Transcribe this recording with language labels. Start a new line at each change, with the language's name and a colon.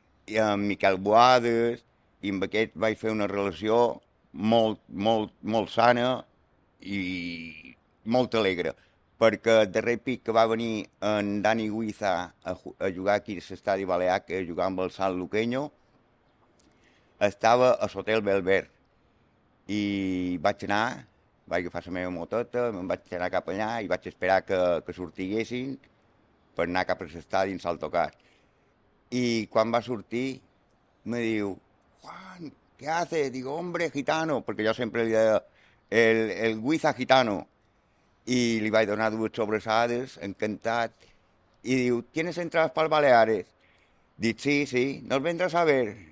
Catalan: i en Miquel Boades, i amb aquest vaig fer una relació molt, molt, molt sana i molt alegre, perquè el darrer pic que va venir en Dani Huiza a jugar aquí a l'Estadi Balear, que jugava amb el San Luqueño, estava a l'Hotel Belver. I vaig anar, vaig agafar la meva moteta, me'n vaig anar cap allà i vaig esperar que sortiguessin per anar cap a l'estadi en s'autocar. I quan va sortir, me diu, Juan,
Spanish: ¿qué haces? Digo, hombre, gitano,
Catalan: perquè jo sempre li deia, el Huiza gitano. I li vaig donar dues sobrassades, encantat. I diu,
Spanish: ¿tienes entradas pel Baleares?
Catalan: Dic,
Spanish: sí, sí, ¿nos vendrás a ver?